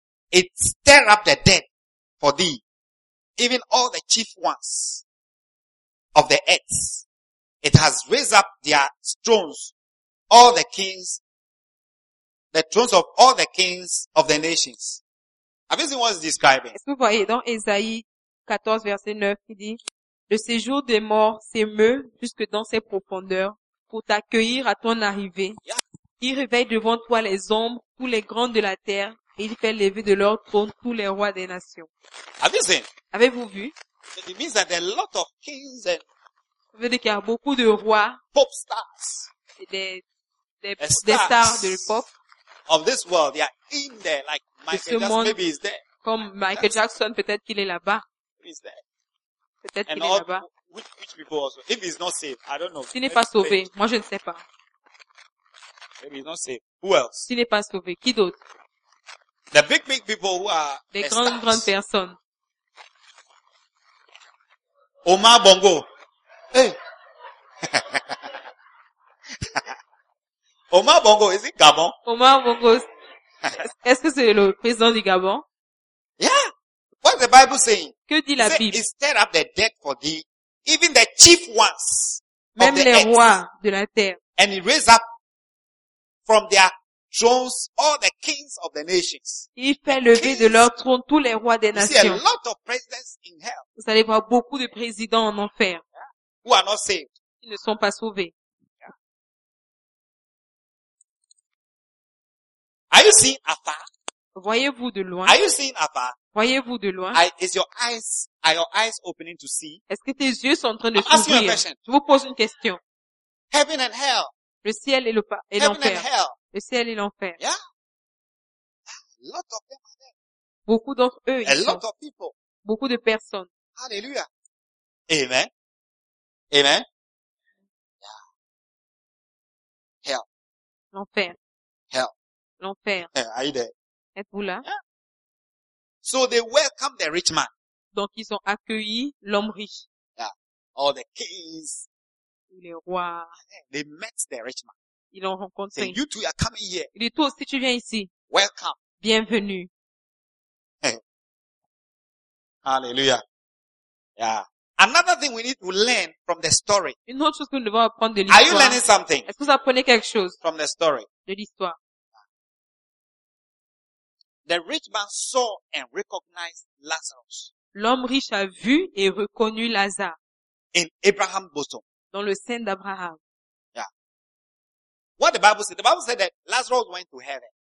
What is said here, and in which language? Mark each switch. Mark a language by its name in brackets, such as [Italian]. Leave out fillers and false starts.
[English] It stir up the dead for thee. Even all the chief ones of the earth. It has raised up their thrones. All the kings. The thrones of all the kings of the nations. Have you seen what it's describing? [French] Est-ce que vous voyez dans Esaïe 14, verset 9, qui dit, le séjour des morts s'émeut jusque dans ses profondeurs pour t'accueillir à ton arrivée. Yeah. Il réveille devant toi les ombres, tous les grands de la terre, et il fait lever de leur trône tous les rois des nations. [English] Have you seen? [French] Avez-vous vu? [English] So it means that there are a lot of kings and [French] ça veut dire qu'il y a beaucoup de rois, [English] pop stars, [French] et des stars de pop. [English] Of this world, they are in there, like Michael Jackson, maybe he's there. [French] Comme Michael Jackson, peut-être qu'il est là-bas. [English] He's there. [French] Peut-être [English] and [French] qu'il [English] all, [French] est là-bas. [English] Which people also, if he's not saved, I don't know. [French] S'il n'est pas sauvé, [English] maybe. [French] Moi je ne sais pas. [English] Maybe he's not saved. Who else? [French] S'il n'est pas sauvé, qui d'autre? [English] The big people who are [French] des grandes, grandes personnes. [English] Omar Bongo. Hey. Omar Bongo, is it Gabon? [French] Omar Bongo, est-ce que c'est le président du Gabon? [English] Yeah. What's the Bible saying? [French] Que dit la Bible? [English] Instead of the dead for thee, even the chief ones [French] même [English] of the [French] les [English] earth, [French] rois de la terre. [English] And he raised up from their thrones all the kings of the nations. [French] Il fait lever de leur trône tous les rois des nations. [English] You see a lot of presidents in hell. [French] Vous allez voir beaucoup de présidents en enfer. [English] Yeah. Who are not saved. [French] Ils ne sont pas sauvés. [English] Are you seeing afar? [French] Voyez-vous de loin? [English] Are you seeing afar? [French] Voyez-vous de loin? [English] Are your eyes opening to see? [French] Est-ce que tes yeux sont en train de s'ouvrir? [English] I'm asking you a question. [French] Je vous pose une question. [English] Heaven and hell. [French] Le ciel et l'enfer. [English] Heaven and hell. [French] Le ciel et l'enfer. [English] Yeah. A lot of them are there. [French] Beaucoup d'entre eux ici. [English] A lot of people. [French] Beaucoup de personnes. [English] Hallelujah. Amen. Amen. Yeah. Hell. [French] L'enfer. [English] Hell. [French] L'enfer. [English] Are you there? [French] Êtes-vous là? Yeah. [English] So they welcome the rich man. [French] Donc ils ont accueilli l'homme riche. [English] Yeah. All the kings. [French] Les rois. [English] They met the rich man. [French] Ils l'ont rencontré. [English] Say, you two are coming here. [French] Il dit, toi aussi tu viens ici. [English] Welcome. [French] Bienvenue. [English] Hey. Hallelujah. Yeah. Another thing we need to learn from the story. [French] Une autre chose que nous devons apprendre de l'histoire. [English] Are you learning something? [French] Est-ce que vous apprenez quelque chose? [English] From the story. [French] De l'histoire. [English] The rich man saw and recognized Lazarus. [French] L'homme riche a vu et reconnu Lazare. [English] In Abraham's bosom. [French] Dans le sein d'Abraham. Yeah. [English] What the Bible said? The Bible said that Lazarus went to heaven.